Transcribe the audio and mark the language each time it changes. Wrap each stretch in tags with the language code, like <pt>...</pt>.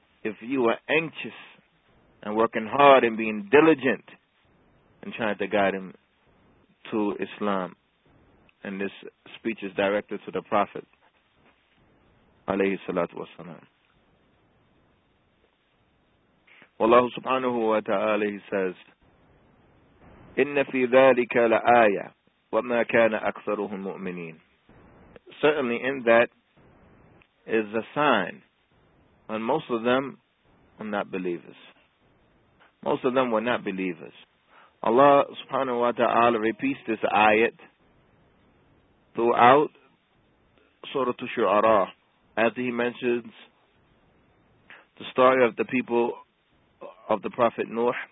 <en>If you are anxious and working hard and being diligent and trying to guide him to Islam, and this speech is directed to the Prophet</en> <ar>عليه الصلاة والسلام. وَاللَّهُ سُبْحَانَهُ وَتَعَالَى,</ar> <en>he says,</en> <ar>إِنَّ فِي ذَلِكَ لَآيَةً وَمَا كَانَ أَكْثَرُهُمْ مُؤْمِنِينَ.</ar> <en>Certainly in that is a sign, and most of them are not believers. Most of them were not believers. Allah subhanahu wa ta'ala repeats this ayat throughout Surah Ash-Shu'ara, as he mentions the story of the people of the Prophet Nuh.</en>